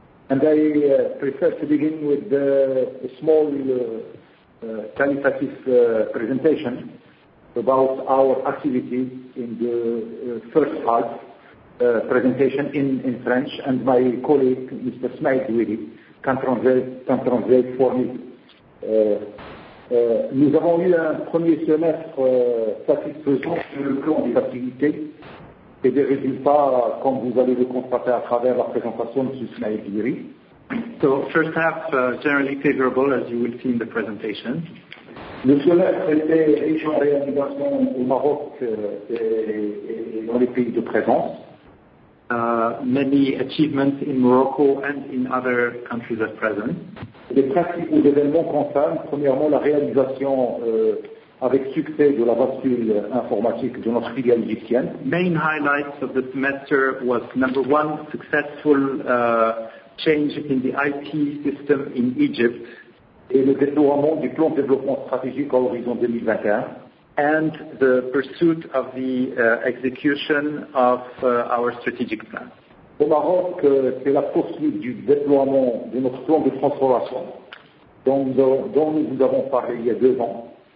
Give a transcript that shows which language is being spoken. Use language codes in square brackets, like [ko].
[en] I prefer to begin with a small qualitative presentation about our activities in the first half presentation in French, and my colleague, Mr. Ismail Douiri, can translate for me. [fr] Nous avons eu un premier semestre satisfaisant sur le plan des activités et des résultats, comme vous allez le constater à travers la présentation de Ismail Douiri. [en] First half, generally favorable, as you will see in the presentation. [fr] Le semestre était riche en réalisations au Maroc et dans les pays de présence. [en] Many achievements in Morocco and in other countries at present. [fr] Les principaux événements concernent, premièrement, la réalisation avec succès de la bascule informatique de notre filiale égyptienne. [en] Main highlights of the semester was, number one, successful change in the IT system in Egypt. [fr] Et le déploiement du plan de développement stratégique à horizon 2021. [en] The pursuit of the execution of our strategic plan. [fr] Au Maroc, c'est la poursuite du déploiement de notre plan de transformation dont nous vous avons parlé il y a deux ans.